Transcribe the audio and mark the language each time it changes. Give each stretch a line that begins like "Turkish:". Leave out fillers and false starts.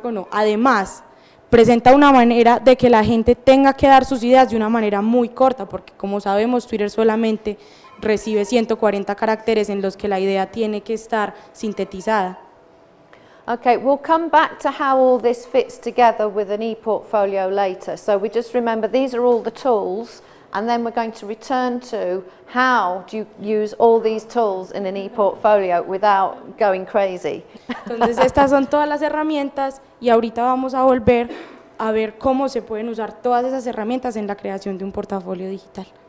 Spanish: Además, presenta una manera de que la gente tenga que dar sus ideas de una manera muy corta, porque como sabemos, Twitter solamente recibe 140 caracteres en los que la idea tiene que estar sintetizada.
English: Okay, we'll come back to how all this fits together with an e-portfolio later. So we just remember these are all the tools, and then we're going to return to how do you use all these tools in an e-portfolio without going crazy.
Spanish: Entonces estas son todas las herramientas y ahorita vamos a volver a ver cómo se pueden usar todas esas herramientas en la creación de un portafolio digital.